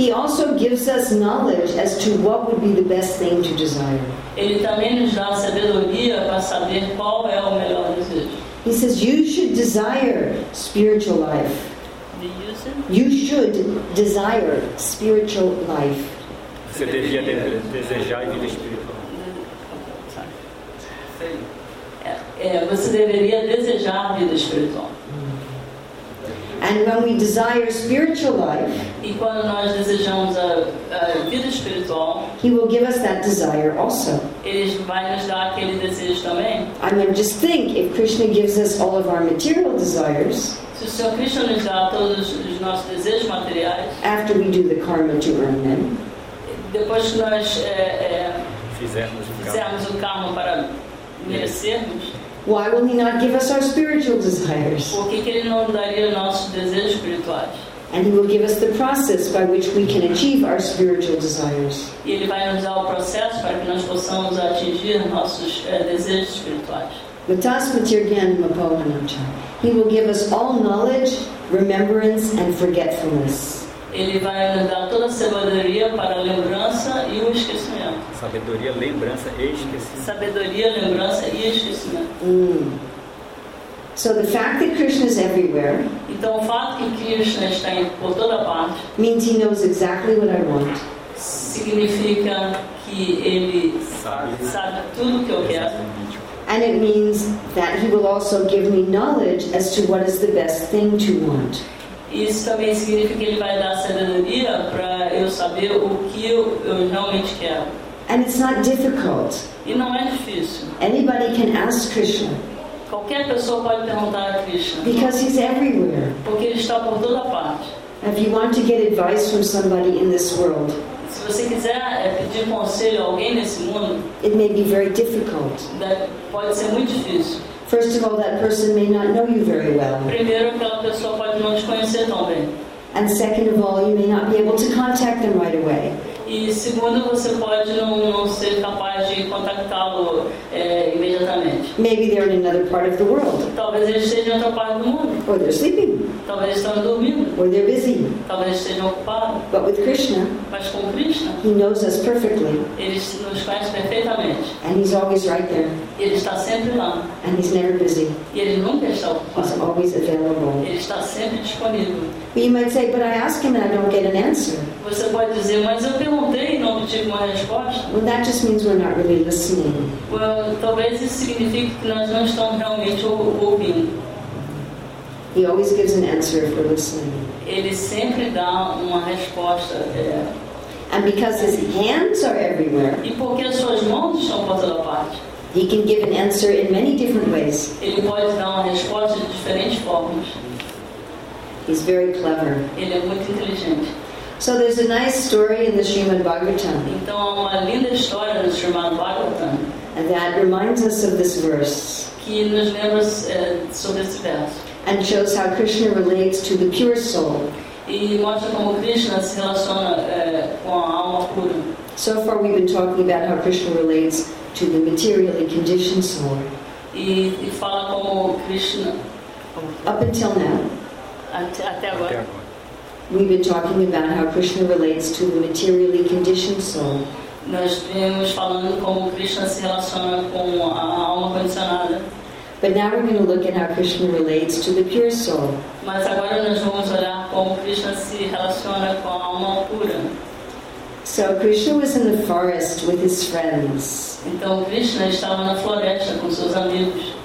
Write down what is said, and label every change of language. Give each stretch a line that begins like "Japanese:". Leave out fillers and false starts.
English: He also gives us knowledge as to what would be the best thing to desire.
Portuguese: Ele também nos dá sabedoria para saber qual é o melhor desejo.
English: He says, you should desire spiritual life. You should desire spiritual life.
Portuguese: Você devia desejar a vida espiritual. Você deveria desejar a vida espiritual.
English: And when we desire spiritual life,
Portuguese: e quando nós desejamos a vida espiritual,
English: He will give us that desire also.
Portuguese: Ele vai nos dar aquele desejo também.
English: I mean, just think, if Krishna gives us all of our material desires,
Portuguese: se o Senhor Krishna nos dá todos os nossos desejos materiais,
English: after we do the karma to earn them,
Portuguese: depois que nós fizermos o karma para merecermos,
English: why will He not give us our spiritual desires?
Portuguese: Por que Ele não daria nossos desejos espirituais?
English: And He will give us the process by which we can achieve our spiritual desires.
Portuguese: E Ele vai nos dar o processo para que nós possamos atingir nossos desejos espirituais.
Sanskrit: Matasmatirgyanamapohanamcha.
English: He will give us all knowledge, remembrance, and forgetfulness.
Portuguese: Ele vai nos dar toda a sabedoria para a lembrança e o esquecimento. Sabedoria, lembrança e esquecimento. Sabedoria, lembrança e esquecimento.
English: So the fact that Krishna is everywhere,
Portuguese: então, o fato que Krishna está por toda parte,
English: means He knows exactly what I want.
Portuguese: Significa que Ele sabe tudo o que eu quero.
English: And it means that He will also give me knowledge as to what is the best thing to want.
Portuguese: Isso também significa que Ele vai dar sabedoria para eu saber o que eu realmente quero.
English: And it's not difficult.
Portuguese: E não é difícil.
English: Anybody can ask Krishna.
Portuguese: Qualquer pessoa pode perguntar a Krishna.
English: Because He's everywhere.
Portuguese: Porque Ele está por toda parte.
English: If you want to get advice from somebody in this world,
Portuguese: se você quiser pedir conselho a alguém nesse mundo,
English: it may be very difficult.
Portuguese: Pode ser muito difícil.
English: First of all, that person may not know you very well.
Portuguese: Primeiro, aquela pessoa pode não te conhecer tão bem.
English: And second of all, you may not be able to contact them right away.
Portuguese: E segundo, você pode não ser capaz de contactá-lo imediatamente.
English: Maybe they're in another part of the world.
Portuguese: Talvez eles estejam em outra parte do mundo.
English: Or they're sleeping.
Portuguese: Talvez estejam dormindo.
English: Or they're busy.
Portuguese: Talvez estejam ocupados.
English: But with Krishna,
Portuguese: mas com Krishna,
English: He knows us perfectly.
Portuguese: Ele nos conhece perfeitamente.
English: And He's always right there.
Portuguese: Ele está sempre lá.
English: And He's never busy.
Portuguese: E Ele nunca está ocupado.
English: He's always available.
Portuguese: Ele está sempre disponível.
English: But you might say, but I ask Him and I don't get an answer.
Portuguese: Você pode dizer, mas eu perguntei e não obtive uma resposta.
English: Well, that just means we're not really listening.
Portuguese: Well, talvez isso signifique que nós não estamos realmente ouvindo.
English: He always gives an answer if we're listening.
Portuguese: Ele sempre dá uma resposta.
English: And because His hands are everywhere,
Portuguese: e porque as suas mãos estão por toda parte,
English: He can give an answer in many different ways.
Portuguese: Ele pode dar uma resposta de diferentes formas.
English: He's very clever.
Portuguese: Ele é muito inteligente.
English: So there's a nice story in the Srimad Bhagavatam.
Portuguese: Então há uma linda história no Srimad Bhagavatam.
English: And that reminds us of this verse.
Portuguese: Que nos lembra sobre esse verso.
English: And shows how Krishna relates to the pure soul.
Portuguese: E mostra como Krishna se relaciona com a alma pura.
English: So far we've been talking about how Krishna relates to the materially conditioned soul.
Portuguese: E fala como Krishna.
English: Up until now.
Portuguese: Até agora.
English: We've been talking about how Krishna relates to the materially conditioned soul.
Portuguese: Nós vimos falando como Krishna se relaciona com a alma condicionada.
English: But now we're going to look at how Krishna relates to the pure soul.
Portuguese: Mas agora nós vamos olhar como Krishna se relaciona com a alma pura.
English: So Krishna was in the forest with his friends.
Portuguese: Então Krishna estava na floresta com seus amigos.